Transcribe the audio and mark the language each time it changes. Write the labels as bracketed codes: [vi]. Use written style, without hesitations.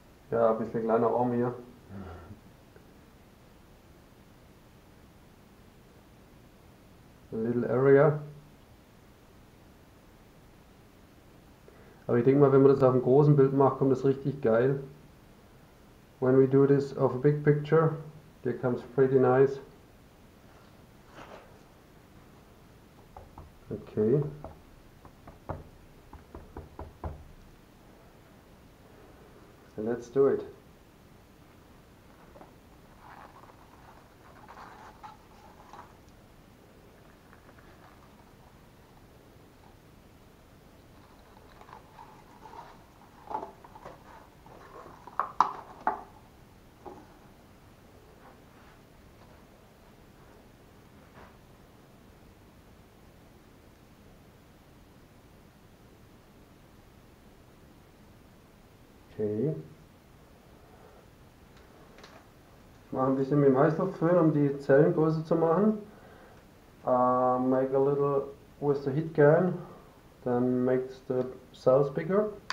[de] Ja, ein bisschen kleiner Raum hier. [en] Little area. [de] Aber ich denke mal, wenn man das auf einem großen Bild macht, kommt das richtig geil. [en] When we do this of a big picture, there comes pretty nice. Okay. Let's do it. Okay. [de] Ich mache ein bisschen mit dem Heißluftföhn, um die Zellen größer zu machen. [en] Make a little with the heat gun, then make the cells bigger.